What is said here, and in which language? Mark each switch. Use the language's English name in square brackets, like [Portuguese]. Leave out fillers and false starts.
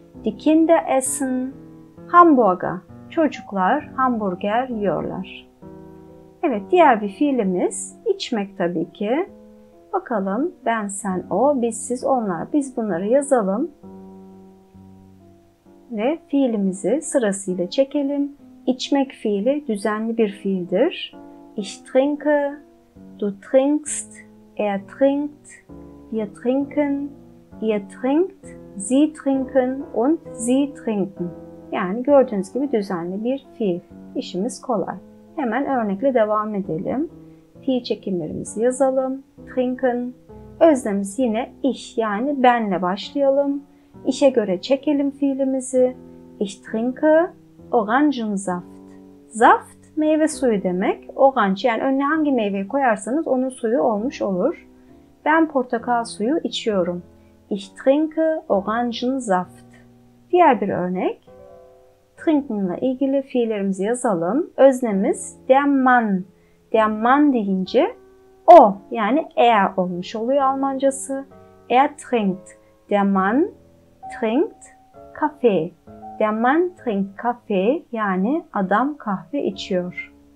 [German] Die Kinder essen Hamburger. [Turkish] Çocuklar hamburger yiyorlar. Evet, diğer bir fiilimiz içmek tabii ki. Bakalım ben, sen, o, biz, siz, onlar. Biz bunları yazalım. Ve fiilimizi sırasıyla çekelim. İçmek fiili düzenli bir fiildir. [German] Ich trinke, du trinkst, er trinkt, wir trinken, ihr trinkt, sie trinken und sie trinken. [Turkish] Yani gördüğünüz gibi düzenli bir fiil. İşimiz kolay. Hemen örnekle devam edelim. Fi çekimlerimizi yazalım. Trinken. Özlemimiz yine ich yani benle başlayalım. İşe göre çekelim fiilimizi. [German] Ich trinke Orangensaft. [Turkish] Saft meyve suyu demek. Orange yani önüne hangi meyveyi koyarsanız onun suyu olmuş olur. Ben portakal suyu içiyorum. [German] Ich trinke Orangensaft. [Turkish] Diğer bir örnek. Trinken ile ilgili fiillerimizi yazalım. Öznemiz der Mann. Der Mann deyince o yani er olmuş oluyor Almancası. [German] Er trinkt. Der Mann trinkt Kaffee. Der Mann trinkt Kaffee [Turkish] yani adam kahve içiyor.